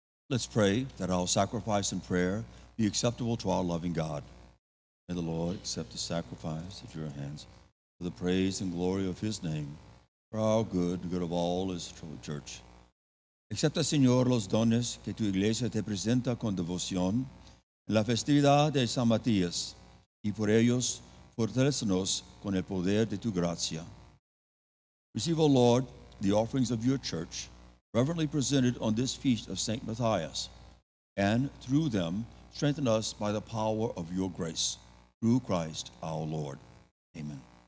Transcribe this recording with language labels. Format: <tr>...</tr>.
<en>Let's pray that our sacrifice and prayer be acceptable to our loving God. May the Lord accept the sacrifice at your hands for the praise and glory of his name, for our good, the good of all his church.</en> <es>Accepta, Señor, los dones que tu iglesia te presenta con devoción en la festividad de San Matías, y por ellos fortalecenos con el poder de tu gracia.</es> <en>Receive, O Lord, the offerings of your church, reverently presented on this feast of St. Matthias, and through them strengthen us by the power of your grace. Through Christ our Lord. Amen.</en>